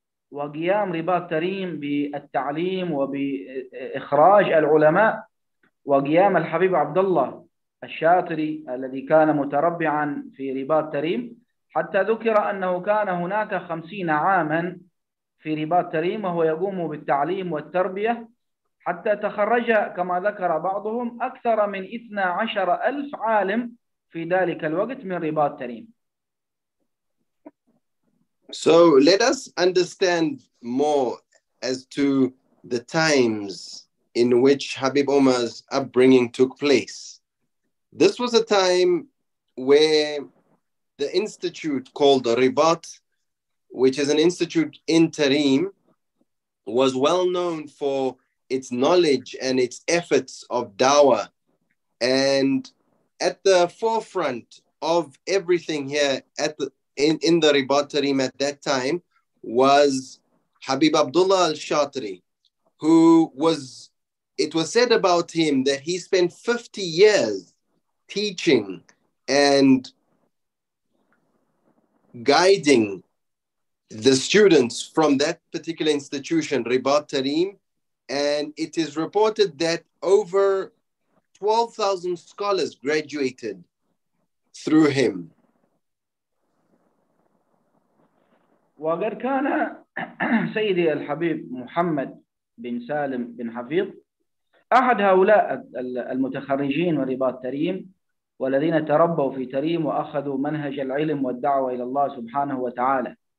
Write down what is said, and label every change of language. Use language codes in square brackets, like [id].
[ar] وقيام رباط تريم بالتعليم وبإخراج العلماء وقيام الحبيب عبد الله الشاطري الذي كان متربعا في رباط تريم حتى ذكر أنه كان هناك 50 عاما في رباط تريم وهو يقوم بالتعليم والتربية حتى تخرج كما ذكر بعضهم أكثر من 12,000 عالم في ذلك الوقت من رباط تريم. [en] So let us understand more as to the times in which Habib Umar's upbringing took place. This was a time where the institute called the Ribat, which is an institute in Tarim, was well known for its knowledge and its efforts of dawah. And at the forefront of everything here at the, in the Ribat Tarim at that time was Habib Abdullah al-Shatri, who was, it was said about him that he spent 50 years teaching and guiding the students from that particular institution, Ribat Tarim, and it is reported that over 12,000 scholars graduated through him. [ar] وقد كان سيدي الحبيب محمد بن سالم بن حفيظ أحد هؤلاء المتخرجين ورباط تريم والذين تربوا في تريم وأخذوا منهج العلم والدعوة إلى الله سبحانه وتعالى.